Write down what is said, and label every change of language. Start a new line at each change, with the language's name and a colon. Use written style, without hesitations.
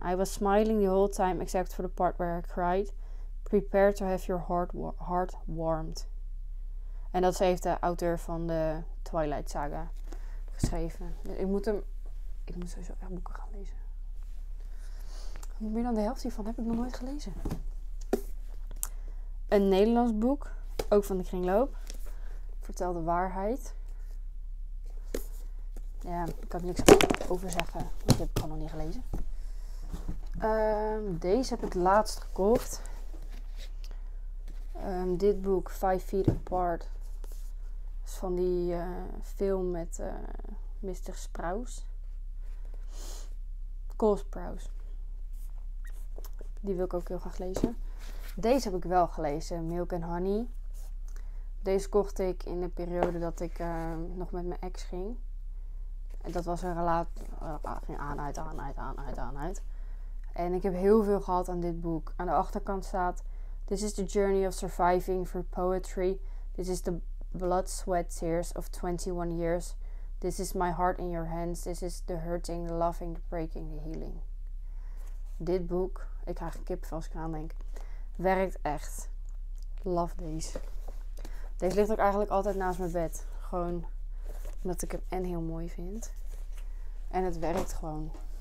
English: I was smiling the whole time except for the part where I cried. Prepare to have your heart warmed.
Dutch: En dat heeft de auteur van de Twilight Saga geschreven. Ik moet sowieso echt boeken gaan lezen. Meer dan de helft hiervan heb ik nog nooit gelezen. Een Nederlands boek. Ook van de Kringloop. Vertel de waarheid. Ja, daar kan ik niks over zeggen. Want die heb ik gewoon nog niet gelezen. Deze heb ik laatst gekocht. Dit boek, Five Feet Apart. Is van die film met Mr. Sprouse. Cole Sprouse. Die wil ik ook heel graag lezen. Deze heb ik wel gelezen, Milk and Honey. Deze kocht ik in de periode dat ik nog met mijn ex ging. En dat was een relatie. Ging aan, uit. En ik heb heel veel gehad aan dit boek. Aan de achterkant staat...
English: This is the journey of surviving for poetry. This is the blood, sweat, tears of 21 years. This is my heart in your hands. This is the hurting, the loving, the breaking, the healing.
Dutch: Dit boek... Ik krijg een kippenvel als ik aan denk. Werkt echt. Love deze. Deze ligt ook eigenlijk altijd naast mijn bed. Gewoon... Omdat ik hem en heel mooi vind. En het werkt gewoon.